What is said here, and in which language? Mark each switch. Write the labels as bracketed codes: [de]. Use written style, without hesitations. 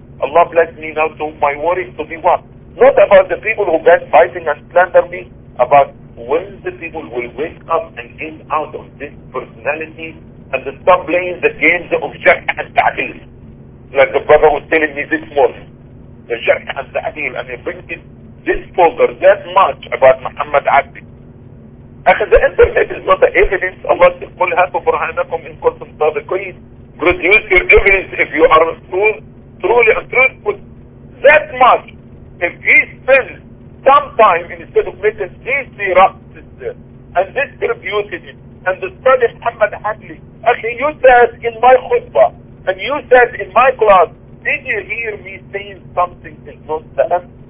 [en] Allah bless me now to my worry to be what? Not about the people who been fighting and slander me, about when the people will wake up and get out of this personality and stop playing the games of Jah and Ta'dil. Like the brother was telling me this morning, the Jah and Ta'dil, and he brings in this folder that much about Muhammad Abdi. And the internet is not the evidence. [ar] Allah says, قُلْ هَاتُوا بُرْهَانَكُمْ إِنْ كُنْتُمْ صَادِقِينَ. [en] Produce your evidence if you are truly and truthful. That much. If he spends some time instead of making this sirah and distributing it and the study of Muhammad Hadli, okay, you said in my khutbah and you said in my class, did you hear me saying something that's not that?